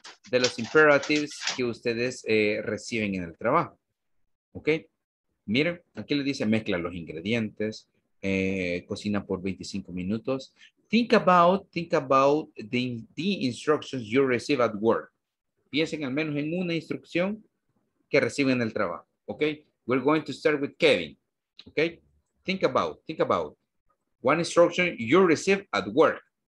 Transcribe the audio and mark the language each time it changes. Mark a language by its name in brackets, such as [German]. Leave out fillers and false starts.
[Spanish] de los imperatives que ustedes reciben en el trabajo. ¿Ok? Miren, aquí le dice mezcla los ingredientes, cocina por 25 minutos. [English] Think about the instructions you receive at work. [Spanish] Piensen al menos en una instrucción que reciben en el trabajo. [English] ¿Ok? We're going to start with Kevin. ¿Ok? Think about one instruction you receive at work.